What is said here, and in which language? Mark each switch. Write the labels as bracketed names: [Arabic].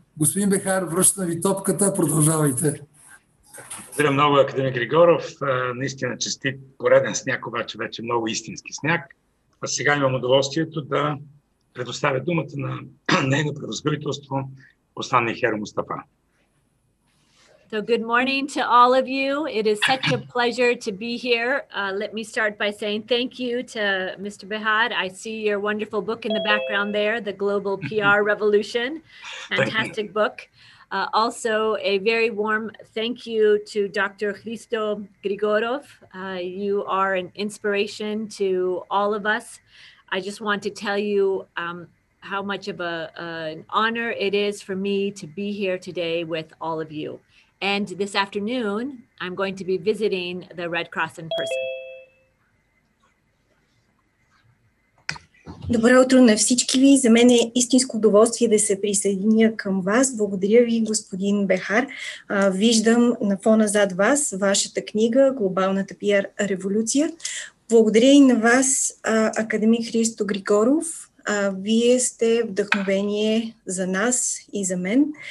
[Bulgarian] Господин Бехар, връщам ви топката, продължавайте. Здравей много, академик Григоров. Наистина честит пореден сняг, обаче вече много истински сняг. А сега имам удоволствието да предоставя думата на нейно превъзгърителство Останни Хера Мустафа. [English] So good morning to all of you. It is such a pleasure to be here. Let me start by saying thank you to Mr. Behad. I see your wonderful book in the background there, The Global PR Revolution. Fantastic book. Also, a very warm thank you to Dr. Christo Grigorov. You are an inspiration to all of us. I just want to tell you how much of an honor it is for me to be here today with all of you. And this afternoon, I'm going to be visiting the Red Cross in person. [Bulgarian] Добро утро на всички ви. За мен е истинско удоволствие да се присъединя към вас. Благодаря ви, господин Бехар. Виждам на фона зад вас вашата книга «Глобалната PR революция». Благодаря и на вас, академик Христо Григоров. Вие сте вдъхновение за нас и за мен.